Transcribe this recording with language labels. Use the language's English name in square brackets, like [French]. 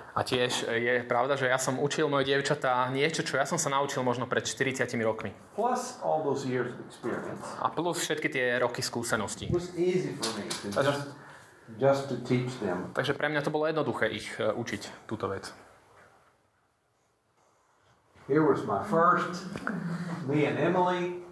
[Slovak] A tiež je pravda, že ja som učil moje dievčatá niečo, čo ja som sa naučil možno pred 40 rokmi. [English] Plus all those years of experience. [Slovak] A plus všetky tie roky skúseností. [English] It was easy for me to just to teach them. [Slovak] Takže pre mňa to bolo jednoduché ich učiť túto vec. [English] Here was my first, me and Emily.